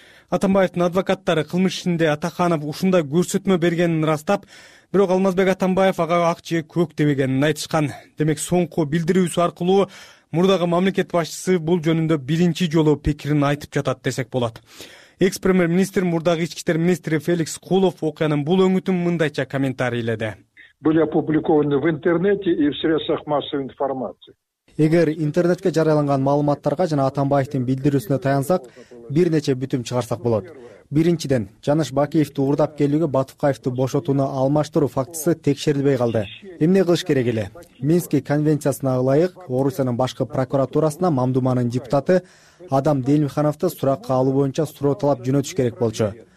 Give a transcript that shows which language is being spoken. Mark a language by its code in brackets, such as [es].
[ky] Атамбаевдин адвокаттары кылмыш ишинде Атаханов ушундай көрсөтмө бергенин ырастап, бирок Алмазбек Атамбаев ага ак же көк дебегенин айтышкан. Демек соңку билдирүүсү аркылуу мурдагы мамлекет башчысы бул жөнүндө биринчи жолу пикирин айтып жатат десек болот. Экс-премьер-министр мурдагы ички иштер министри Феликс Кулов окуянын бул өңүтүн мындайча комментарийледи. [ru] Были опубликованы в интернете и в средствах массовой информации. [ky] Эгер интернетке жарыяланган маалыматтарга жана Атамбаевдин билдирүүсүнө таянсак, бир нече бүтүм чыгарсак болот. Биринчиден, Жаныш Бакиевди уурдап келүүгө Батукаевди бошотууну алмаштыруу фактысы текшерилбей калды. Эмне кылыш керек эле? Минский конвенциясына ылайык, Орусиянын башкы прокуратурасына мамдуманын депутаты Адам Делимхановду суракка алуу боюнча суроо талап жөнөтүш керек болчу.